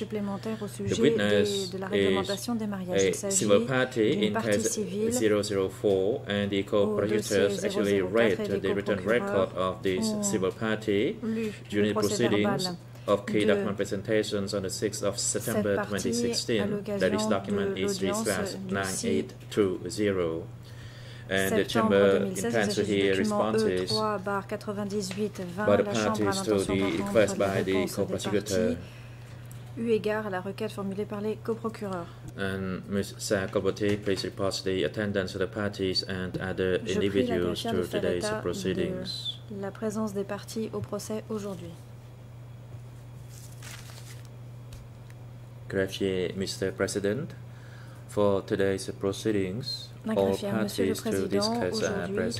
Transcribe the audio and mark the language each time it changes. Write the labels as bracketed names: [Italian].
[English] The witness is a civil party in case 004, and the co-prosecutors actually read the written record of this civil party during the proceedings of key document presentations on the 6th of September 2016, that is document E3-9820. And the chamber intends to hear responses by the parties to the request by the co-prosecutor. [French] Eu égard à la requête formulée par les co-procureurs. [English] And Ms. Sarah Colbotti, please report the attendance of the parties and other individuals to today's proceedings. [French] La présence des parties au procès aujourd'hui. [English] Greffier, Mr. President, for today's proceedings, all parties to this case are present.